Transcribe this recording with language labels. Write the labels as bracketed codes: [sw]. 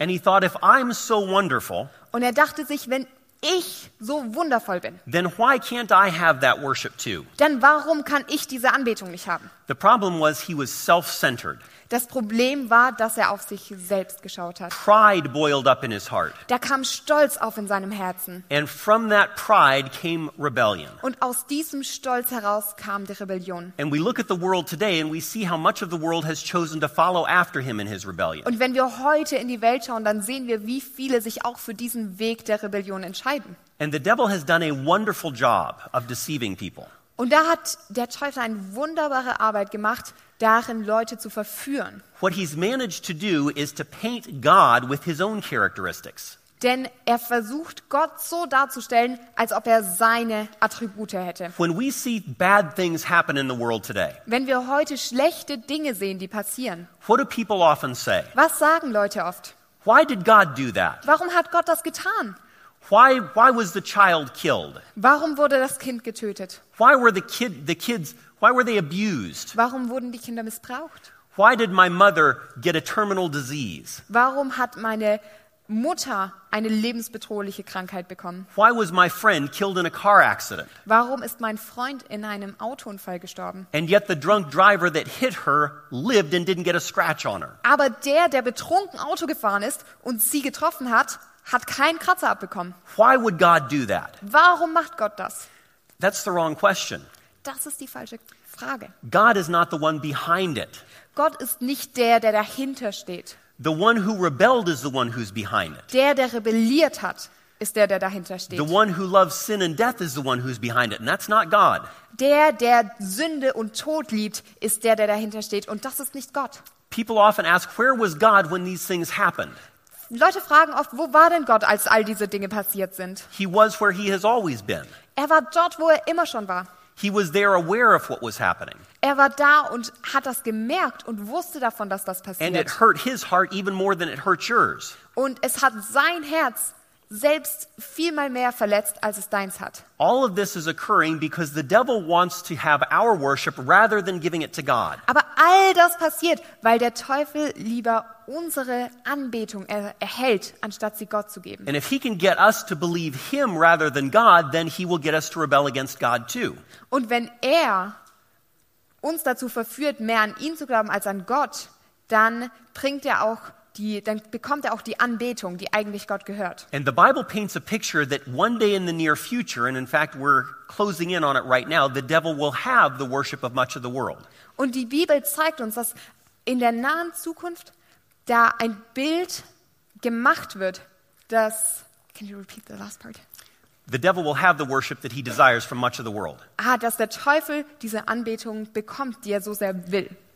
[en] And he thought, if I'm so wonderful, [de] und er dachte sich, wenn ich so wundervoll bin, [en] then why can't I have that worship too? [de] Dann warum kann ich diese Anbetung nicht haben? [en] The problem was he was self-centered. [de] Das Problem war, dass er auf sich selbst geschaut hat. [en] Pride boiled up in his heart. [de] Da kam Stolz auf in seinem Herzen. [en] And from that pride came rebellion. [de] Und aus diesem Stolz heraus kam die Rebellion. [en] And we look at the world today and we see how much of the world has chosen to follow after him in his rebellion. [de] Und wenn wir heute in die Welt schauen, dann sehen wir, wie viele sich auch für diesen Weg der Rebellion entscheiden. [en] And the devil has done a wonderful job of deceiving people. [de] Und da hat der Teufel eine wunderbare Arbeit gemacht, darin Leute zu verführen. [en] What he's managed to do is to paint God with his own characteristics. [de] Denn er versucht, Gott so darzustellen, als ob er seine Attribute hätte. [en] When we see bad things happen in the world today, [de] wenn wir heute schlechte Dinge sehen, die passieren, [en] what do people often say? [de] Was sagen Leute oft? [en] Why did God do that? [de] Warum hat Gott das getan? [en] Why was the child killed? [de] Warum wurde das Kind getötet? [en] Why were the kids why were they abused? [de] Warum wurden die Kinder missbraucht? [en] Why did my mother get a terminal disease? [de] Warum hat meine Mutter eine lebensbedrohliche Krankheit bekommen? [en] Why was my friend killed in a car accident? [de] Warum ist mein Freund in einem Autounfall gestorben? [en] And yet the drunk driver that hit her lived and didn't get a scratch on her. [de] Aber der betrunken Auto gefahren ist und sie getroffen hat, hat keinen Kratzer abbekommen. [en] Why would God do that? [de] Warum macht Gott das? [en] That's the wrong question. [de] Das ist die falsche Frage. [en] God is not the one behind it. [de] Gott ist nicht der dahinter steht. [en] The one who rebelled is the one who's behind it. [de] Der, der rebelliert hat, ist der, der dahinter steht. [en] The one who loves sin and death is the one who's behind it, and that's not God. [de] Der, der Sünde und Tod liebt, ist der, der dahinter steht, und das ist nicht Gott. [en] People often ask, where was God when these things happened? [de] Leute fragen oft, wo war denn Gott, als all diese Dinge passiert sind? [en] He was where he has always been. [de] Er war dort, wo er immer schon war. [en] He was there aware of what was happening. [de] Er war da und hat das gemerkt und wusste davon, dass das passiert. [en] And it hurt his heart even more than it hurt yours. [de] Und es hat sein Herz selbst viel mal mehr verletzt, als es deins hat. [en] All of this is occurring because the devil wants to have our worship rather than giving it to God. [de] Aber all das passiert, weil der Teufel lieber unsere Anbetung erhält, anstatt sie Gott zu geben. [en] And if he can get us to believe him rather than God, then he will get us to rebel against God too. [de] Und wenn er uns dazu verführt, mehr an ihn zu glauben als an Gott, dann bringt er auch die, dann bekommt er auch die Anbetung, die eigentlich Gott gehört. [en] And the Bible paints a picture that one day in the near future, and in fact we're closing in on it right now, the devil will have the worship of much of the world. [de] Und die Bibel zeigt uns, dass in der nahen Zukunft da ein Bild gemacht wird, dass, [en] can you repeat the last part? The devil will have the worship that he desires from much of the world. [de] Ah, dass der Teufel diese Anbetung bekommt, die er so sehr will.